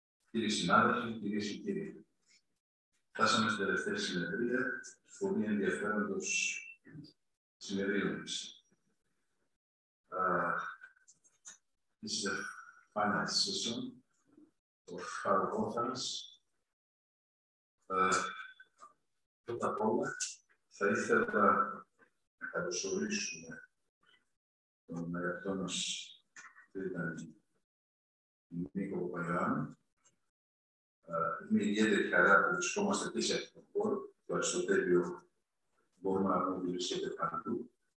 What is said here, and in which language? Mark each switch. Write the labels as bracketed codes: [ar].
[el] Κύριοι συνάδελφοι, κυρίες και κύριοι, φτάσαμε στην τελευταία συνεδρία του πολύ ενδιαφέροντος συνεδρίου μας. [en] This is the final session of our conference. [el] Πρώτα απ' όλα, θα ήθελα να καλωσορίσουμε τον αγαπητό μας τον Νίκο Παγιωάννη. Είναι ιδιαίτερη χαρά που βρισκόμαστε επίση από τον χώρο. Το Αριστοτέλειο μπορούμε να πούμε ότι βρίσκεται παντού.